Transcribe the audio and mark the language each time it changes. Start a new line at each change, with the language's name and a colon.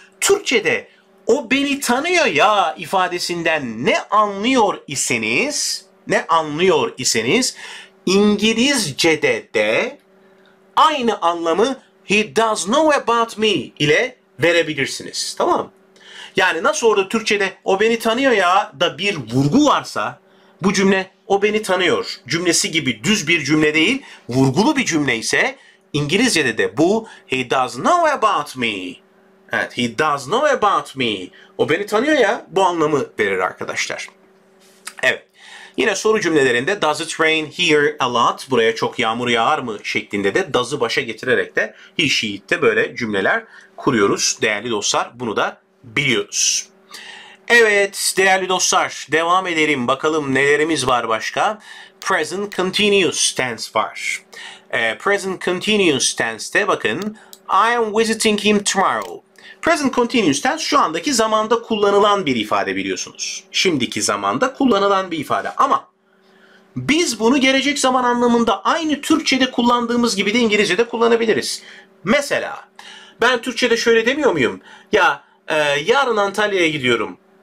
Turkish: Türkçe'de o beni tanıyor ya ifadesinden ne anlıyor iseniz, ne anlıyor iseniz, İngilizce'de de aynı anlamı
English: he does know about me
Turkish: ile verebilirsiniz. Tamam mı? Yani nasıl orada Türkçe'de o beni tanıyor ya da bir vurgu varsa bu cümle o beni tanıyor cümlesi gibi düz bir cümle değil vurgulu bir cümle ise İngilizce'de de bu
English: he does know about me. Evet he does know about me.
Turkish: O beni tanıyor ya bu anlamı verir arkadaşlar. Evet yine soru cümlelerinde
English: does it rain here a lot?
Turkish: Buraya çok yağmur yağar mı? Şeklinde de does'ı başa getirerek de he she'd de böyle cümleler kuruyoruz değerli dostlar bunu da biliyoruz. Evet değerli dostlar devam edelim bakalım nelerimiz var başka. Present continuous tense var. Present continuous tense'te bakın
English: I am visiting him tomorrow.
Turkish: Present continuous tense şu andaki zamanda kullanılan bir ifade biliyorsunuz. Şimdiki zamanda kullanılan bir ifade ama biz bunu gelecek zaman anlamında aynı Türkçe'de kullandığımız gibi de İngilizce'de kullanabiliriz. Mesela ben Türkçe'de şöyle demiyor muyum? Ya yarın Antalya'ya gidiyorum.